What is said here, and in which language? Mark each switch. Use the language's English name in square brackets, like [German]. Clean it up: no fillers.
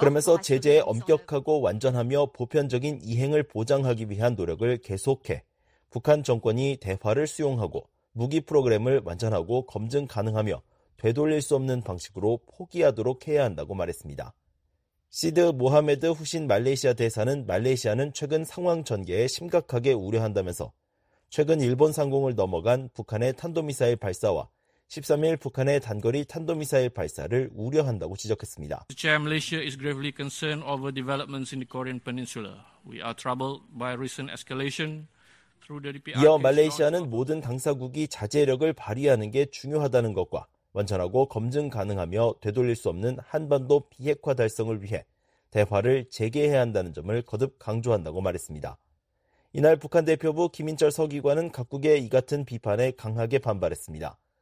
[Korean] 그러면서 제재에 엄격하고 완전하며 보편적인 이행을 보장하기 위한 노력을 계속해 북한 정권이 대화를 수용하고 무기 프로그램을 완전하고 검증 가능하며 되돌릴 수 없는 방식으로 포기하도록 해야 한다고 말했습니다. 시드 모하메드 후신 말레이시아 대사는 말레이시아는 최근 상황 전개에 심각하게 우려한다면서 최근 일본 상공을 넘어간 북한의 탄도미사일 발사와 13일 북한의 단거리 탄도미사일 발사를 우려한다고 지적했습니다. [English] Malaysia is gravely concerned over developments in the Korean Peninsula. We are troubled by recent escalation through the DPRK. [Korean] 이어 말레이시아는 모든 당사국이 자제력을 발휘하는 게 중요하다는 것과 완전하고 검증 가능하며 되돌릴 수 없는 한반도 비핵화 달성을 위해 대화를 재개해야 한다는 점을 거듭 강조한다고 말했습니다. 이날 북한 대표부 김인철 서기관은 각국의 이 같은 비판에 강하게 반발했습니다.